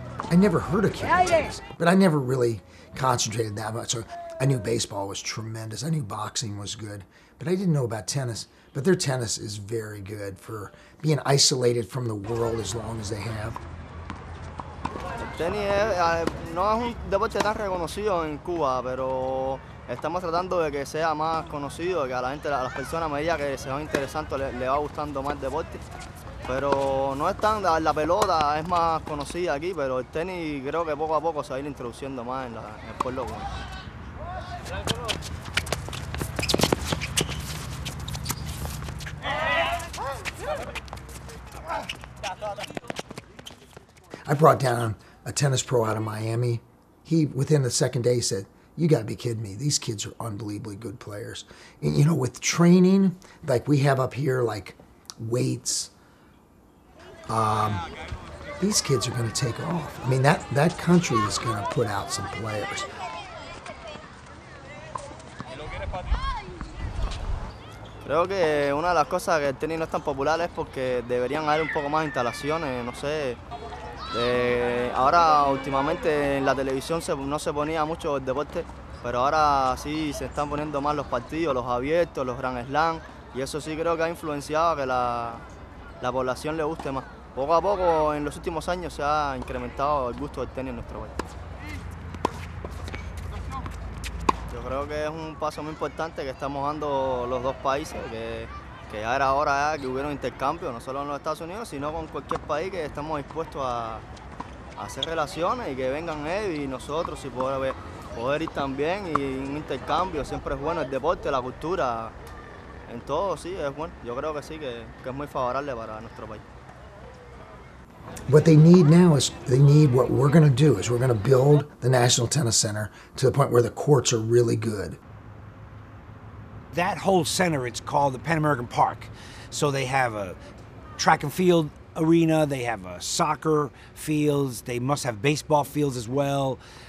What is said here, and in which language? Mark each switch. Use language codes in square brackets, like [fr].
[en] I never heard of Cuban tennis, but I never really concentrated that much. So I knew baseball was tremendous. I knew boxing was good, but I didn't know about tennis. But their tennis is very good for being isolated from the world as long as they have. [es] Tennis no es un deporte tan reconocido en Cuba, pero estamos tratando de que sea más conocido, que a la gente, a las personas, a medida que se van interesando, le va gustando más el deporte. Pero no es tan, la pelota es más conocida aquí, pero el tenis creo que poco a poco se va a ir introduciendo más en el pueblo cubano. [en] I brought down a tennis pro out of Miami. He, within the second day, said, you gotta be kidding me. These kids are unbelievably good players. And, you know, with training, like we have up here, like weights, these kids are gonna take off. I mean, that country is gonna put out some players. [es] Creo que una de las cosas que el tenis no es tan popular es porque deberían haber un poco más instalaciones, no sé. Ahora últimamente en la televisión no se ponía mucho el deporte, Pero ahora sí se están poniendo más los partidos, los abiertos, los Grand Slam, y eso sí creo que ha influenciado a que la población le guste más. Poco a poco, en los últimos años, se ha incrementado el gusto del tenis en nuestro país. Yo creo que es un paso muy importante que estamos dando los dos países, que ya era hora ya que hubiera un intercambio, no solo en los Estados Unidos, sino con cualquier país, que estamos dispuestos a hacer relaciones y que vengan ellos y nosotros, si poder ir también y un intercambio. Siempre es bueno el deporte, la cultura, en todo, sí, es bueno. Yo creo que sí, que es muy favorable para nuestro país. [en] What they need now is they need what we're going to do is we're going to build the National Tennis Center to the point where the courts are really good. That whole center, it's called the Pan American Park. So they have a track and field arena, they have a soccer fields, they must have baseball fields as well.